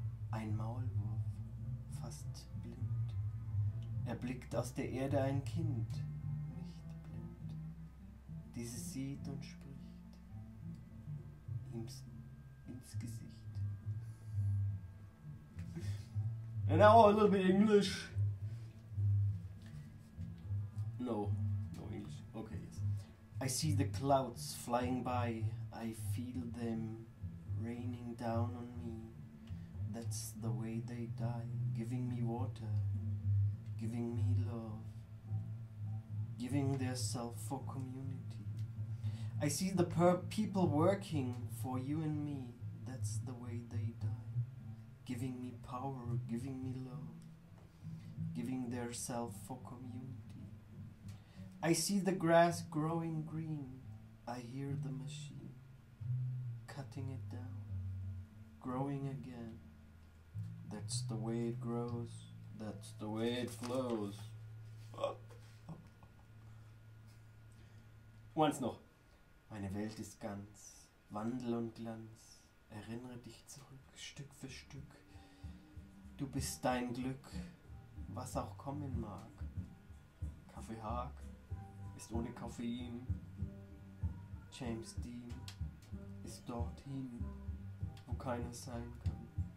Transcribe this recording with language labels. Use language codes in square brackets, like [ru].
[de] Ein Maulwurf fast blind, er blickt aus der Erde ein Kind, nicht blind. Dieses sieht und spricht ins Gesicht. [en] And now a little bit English. No English. Okay, yes. I see the clouds flying by. I feel them raining down on me. That's the way they die. Giving me water. Giving me love. Giving their self for community. I see the people working for you and me, that's the way they die. Giving me power, giving me love, giving their self for community. I see the grass growing green, I hear the machine cutting it down, growing again. That's the way it grows, that's the way it flows. [de] Once noch. Meine Welt ist ganz Wandel und Glanz, erinnere dich zurück, Stück für Stück. Du bist dein Glück, was auch kommen mag. Kaffeehaag ist ohne Koffein. James Dean ist dorthin, wo keiner sein kann.